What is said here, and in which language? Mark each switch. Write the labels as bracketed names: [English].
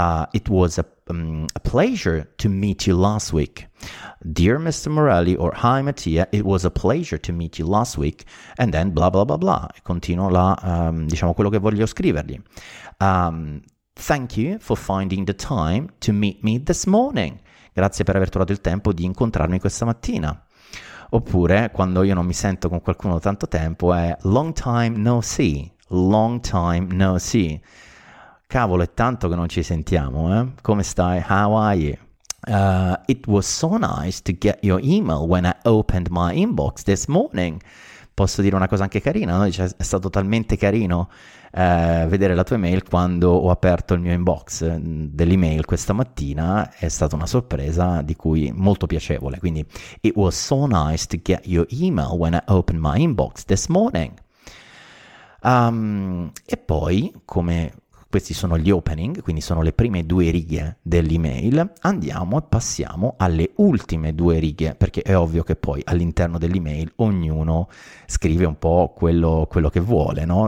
[English] It was a pleasure to meet you last week. Dear Mr. Morelli, or hi Mattia, it was a pleasure to meet you last week. And then blah blah blah blah. [Italian] Continuo la, diciamo, quello che voglio scrivergli. [English] Thank you for finding the time to meet me this morning. [Italian] Grazie per aver trovato il tempo di incontrarmi questa mattina. Oppure, quando io non mi sento con qualcuno da tanto tempo, è [English] long time no see. Long time no see. [Italian] Cavolo, è tanto che non ci sentiamo, eh? Come stai? [English] How are you? It was so nice to get your email when I opened my inbox this morning. [Italian] Posso dire una cosa anche carina, no? Cioè, è stato talmente carino vedere la tua email quando ho aperto il mio inbox dell'email questa mattina. È stata una sorpresa di cui molto piacevole. Quindi, [English] it was so nice to get your email when I opened my inbox this morning. [Italian] E poi, come questi sono gli opening, quindi sono le prime due righe dell'email, andiamo e passiamo alle ultime due righe, perché è ovvio che poi all'interno dell'email ognuno scrive un po' quello che vuole, no?